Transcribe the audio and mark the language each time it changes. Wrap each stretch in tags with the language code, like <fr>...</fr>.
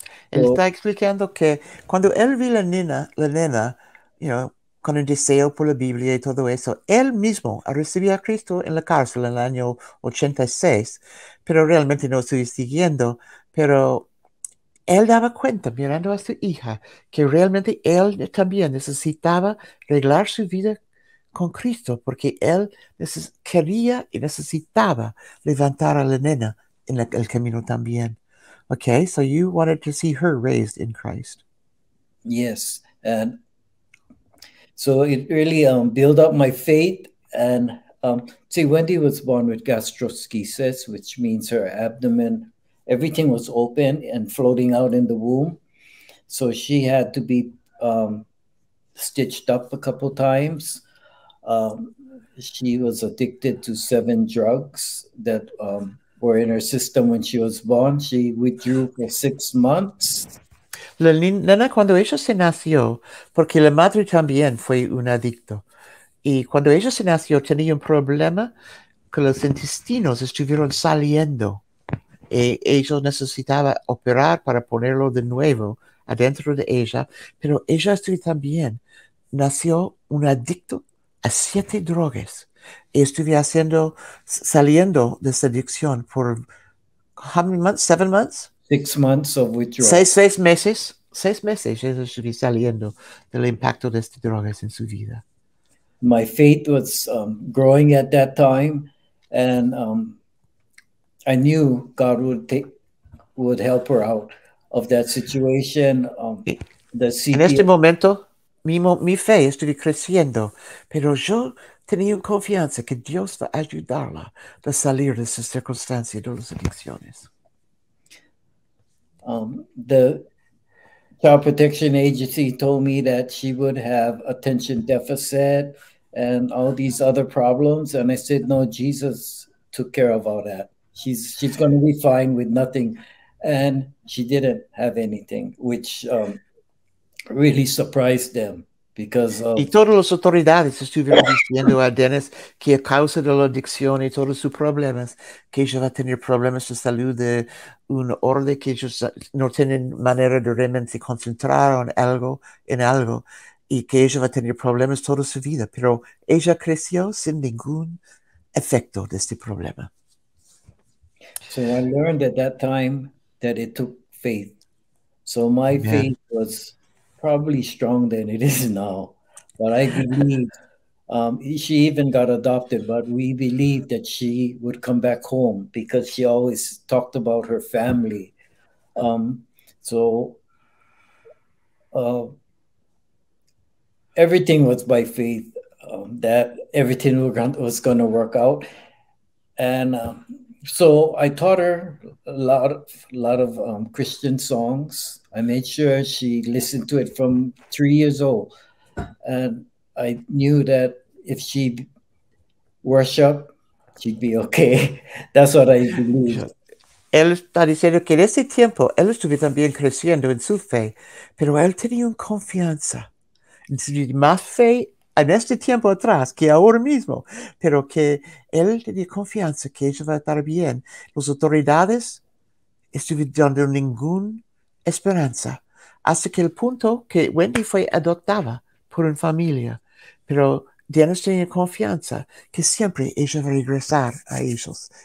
<es>Él está explicando que cuando él vio la nena,</es> <en>you know,</en> <es>con el deseo por la Biblia y todo eso, él mismo recibió a Cristo en la cárcel en el año 86, pero realmente no estoy siguiendo, pero él daba cuenta, mirando a su hija, que realmente él también necesitaba arreglar su vida con Cristo, porque él quería y necesitaba levantar a la nena en el camino también.</es> <en>Okay, so you wanted to see her raised in Christ. Yes, and so it really built up my faith. And see, Wendy was born with gastroschisis, which means her abdomen, everything was open and floating out in the womb. So she had to be stitched up a couple times. She was addicted to 7 drugs that were in her system when she was born. She withdrew for 6 months.</en> <es>La nena cuando ella se nació, porque la madre también fue un adicto, y cuando ella se nació tenía un problema que los intestinos estuvieron saliendo y ella necesitaba operar para ponerlo de nuevo adentro de ella, pero ella también nació un adicto a 7 drogas y estuvo saliendo de esa adicción por</es> <en>how many months? 7 months? 6 months of withdrawal.</en> <es>Seis meses,</es> <en>Jesus should be</en> <es>saliendo del impacto de estas drogas en su vida.</es> <en>My faith was growing at that time, and I knew God would help her out of that situation.</en> <es>En este momento, mi fe estuvo creciendo, pero yo tenía confianza que Dios va a ayudarla a salir de esas circunstancias de las adicciones.</es> <en>The Child Protection Agency told me that she would have attention deficit and all these other problems. And I said, no, Jesus took care of all that. She's going to be fine with nothing. And she didn't have anything, which really surprised them.</en> <es>Y todas las autoridades estuvieron diciendo a Dennis que a causa de la adicción y todos sus problemas, que ella va a tener problemas de salud de un orden que ellos no tienen manera de realmente concentrar en algo y que ella va a tener problemas toda su vida. Pero ella creció sin ningún efecto de este problema.</es> <en>So I learned at that time that it took faith. So my faith was probably strong than it is now, but I believe she even got adopted, but we believed that she would come back home because she always talked about her family. Everything was by faith that everything was going to work out. And so I taught her a lot of Christian songs. I made sure she listened to it from 3 years old. And I knew that if she worshiped, she'd be okay. That's what I believed.</en> <es>Él está diciendo que en ese tiempo él estuvo también creciendo en su fe, pero él tenía una confianza, más fe en este tiempo atrás que ahora mismo, pero que él tenía confianza que ella va a estar bien. Las autoridades estuvieron dando ninguna esperanza hasta que el punto que Wendi fue adoptada por una familia, pero Dios tenía confianza que siempre ella va a regresar a ellos.</es>